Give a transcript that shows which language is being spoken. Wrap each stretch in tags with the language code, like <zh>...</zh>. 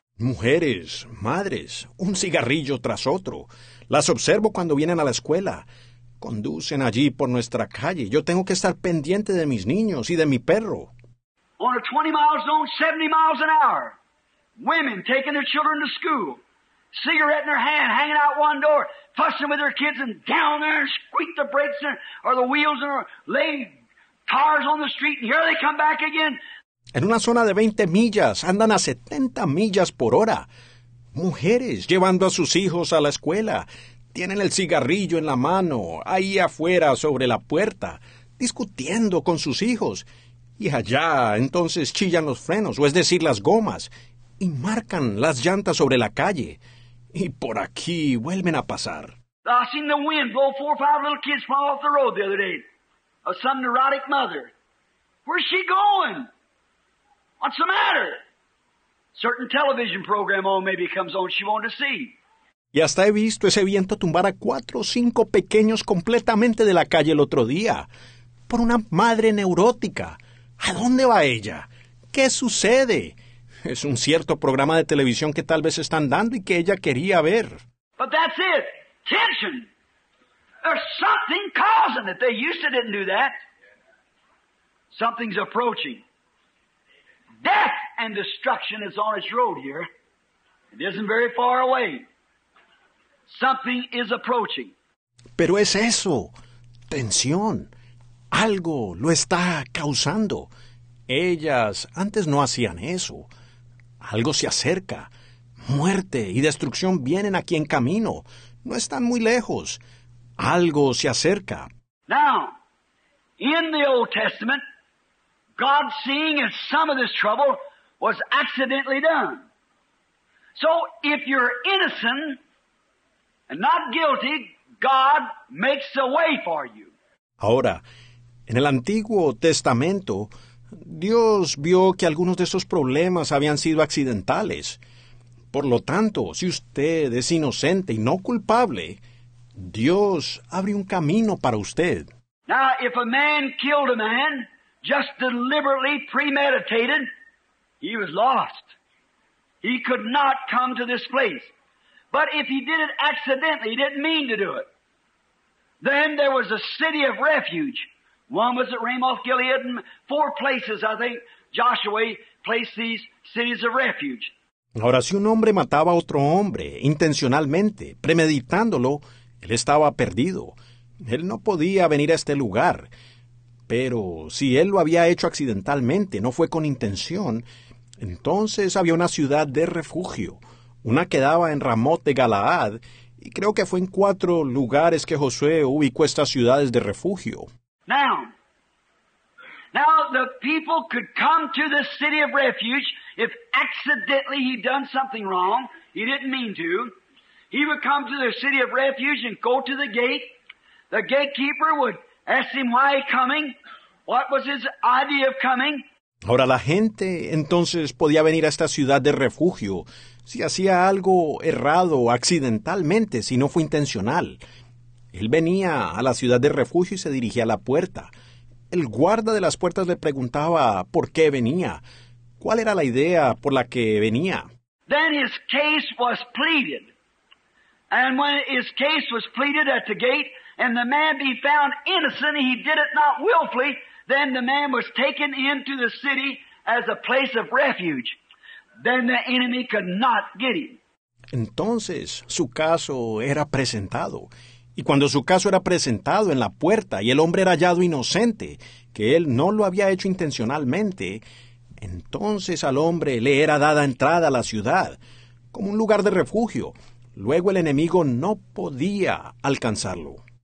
<es>Mujeres, madres, un cigarrillo tras otro. Las observo cuando vienen a la escuela. Conducen allí por nuestra calle. Yo tengo que estar pendiente de mis niños y de mi perro.</es> <en>On a 20-mile zone, 70 miles an hour. Women taking their children to school. Cigarette in their hand, hanging out one door, fussing with their kids and down there and squeak the brakes in, or the wheels and laying cars on the street and here they come back again.</en> <es>En una zona de 20 millas, andan a 70 millas por hora. Mujeres llevando a sus hijos a la escuela. Tienen el cigarrillo en la mano, ahí afuera sobre la puerta, discutiendo con sus hijos. Y allá, entonces chillan los frenos, o es decir, las gomas, y marcan las llantas sobre la calle. Y por aquí vuelven a pasar.</es> <en>I seen the wind blow 4 or 5 little kids from off the road the other day. Of some neurotic mother. Where's she going? What's the matter? Certain television program on maybe comes on she wanted to see.</en> <es>Y hasta he visto ese viento tumbar a 4 o 5 pequeños completamente de la calle el otro día. Por una madre neurótica. ¿A dónde va ella? ¿Qué sucede? Es un cierto programa de televisión que tal vez están dando y que ella quería ver.</es> <en>But that's it. Tension. There's something causing it. They used to didn't do that. Something's approaching. Death and destruction is on its road here. It isn't very far away. Something is approaching.</en> <es>Pero es eso. Tensión. Algo lo está causando. Ellas antes no hacían eso. Algo se acerca. Muerte y destrucción vienen aquí en camino. No están muy lejos. Algo se acerca.</es> <en>Now, in the Old Testament, God seeing that some of this trouble was accidentally done. So, if you're innocent and not guilty, God makes a way for you.</en> <es>Ahora, en el Antiguo Testamento, Dios vio que algunos de esos problemas habían sido accidentales. Por lo tanto, si usted es inocente y no culpable, Dios abre un camino para usted.</es> <en>Now, if a man killed a man, just deliberately premeditated, he was lost. He could not come to this place. But if he did it accidentally, he didn't mean to do it, then there was a city of refuge. One was at Ramoth-Gilead, and 4 places, I think, Joshua placed these cities of refuge.</en> <es>Ahora, si un hombre mataba a otro hombre, intencionalmente, premeditándolo, él estaba perdido. Él no podía venir a este lugar. Pero si él lo había hecho accidentalmente, no fue con intención, entonces había una ciudad de refugio. Una quedaba en Ramot de Galaad, y creo que fue en 4 lugares que Josué ubicó estas ciudades de refugio.</es> <en>Now the people could come to the city of refuge if accidentally he'd done something wrong. He didn't mean to. He would come to the city of refuge and go to the gate. The gatekeeper would ask him why he coming. What was his idea of coming?</en> <es>Ahora la gente entonces podía venir a esta ciudad de refugio si hacía algo errado accidentalmente, si no fue intencional. Él venía a la ciudad de refugio y se dirigía a la puerta. El guarda de las puertas le preguntaba por qué venía. ¿Cuál era la idea por la que venía?</es> <en>Then his case was pleaded. And when his case was pleaded at the gate, and the man be found innocent, he did it not willfully, then the man was taken into the city as a place of refuge. Then the enemy could not get him.</en> <es>Entonces, su caso era presentado. Y cuando su caso era presentado en la puerta y el hombre era hallado inocente, que él no lo había hecho intencionalmente, entonces al hombre le era dada entrada a la ciudad, como un lugar de refugio. Luego el enemigo no podía alcanzarlo.</es>